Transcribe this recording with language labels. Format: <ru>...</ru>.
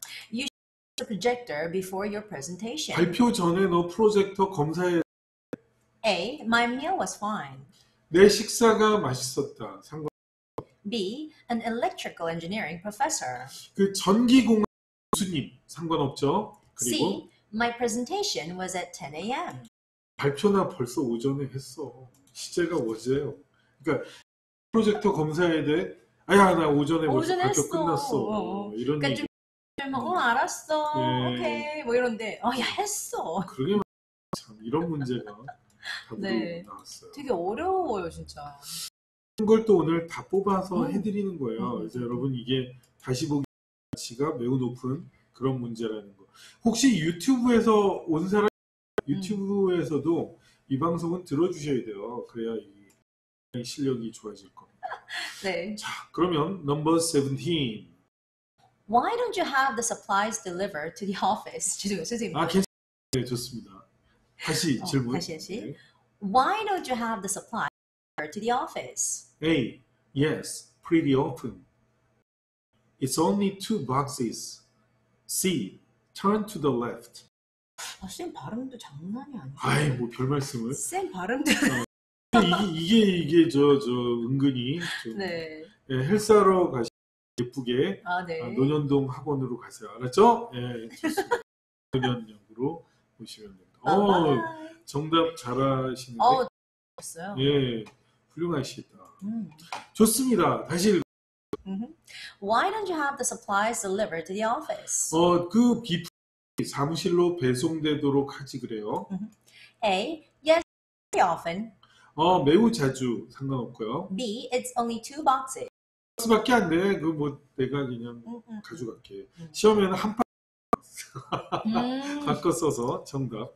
<en>You should test the projector before your presentation.</en> <ko>발표 전에 너 프로젝터 검사해.</ko> <en>A. My meal was fine.</en> <ko>내 식사가 맛있었다. 상관없어.</ko> <en>B. An electrical engineering professor.</en> <ko>그 전기공학 교수님. 상관없죠? 그리고</ko> <en>C. My presentation was at 10 a.m.</en> <ko>발표나 벌써 오전에 했어. 시제가 어제예요. 그러니까 프로젝터 검사에 대해 아야 나 오전에 벌써 발표 했어. 끝났어. 이런 그러니까 얘기. 좀 알았어. 예. 오케이. 뭐 이런데 야 했어. 그러게 참 이런 문제가 답으로 네. 나왔어요. 되게 어려워요 진짜. 걸 또 오늘 다 뽑아서 해드리는 거예요. 그래서 여러분 이게 다시 보기 가치가 매우 높은 그런 문제라는 거. 혹시 유튜브에서 온 사람 유튜브에서도 이 방송은 들어주셔야 돼요. 그래야 이 실력이 좋아질 겁니다. 네. 자, 그러면 넘버 17.</ko> <en>Why don't you have the supplies delivered to the office?</en> <ko>죄송해요. 아, 네, 좋습니다. 다시 질문. 다시. 네.</ko> <en>Why don't you have the supplies delivered to the office? A. Yes, pretty often. It's only two boxes. C. Turn to the left.</en> <ko>아, 쌤 발음도 장난이 아니에요. 아이, 뭐 별 말씀을. 쌤 발음도. 이게 저 은근히 좀 네. 예, 헬스하러 가시 예쁘게 아, 네. 아, 논현동 학원으로 가세요. 알았죠? 예, 좋습니다. 논현역으로 오시면 됩니다. 정답 잘하시는데. 좋았어요. 예, 훌륭하시다. 좋습니다. 다시 읽어.</ko> <en>Why don't you have the supplies delivered to the office?</en> <ko>그 비품이 사무실로 배송되도록 하지 그래요.</ko> <en>A. Yes, very often.</en> <ko>매우 자주 상관없고요.</ko> <en>B. It's only two boxes.</en> <ko>박스밖에 안 돼. 그 뭐 내가 그냥 가져갈게. 시험에는 한 박스 바꿔 써서 정답.</ko>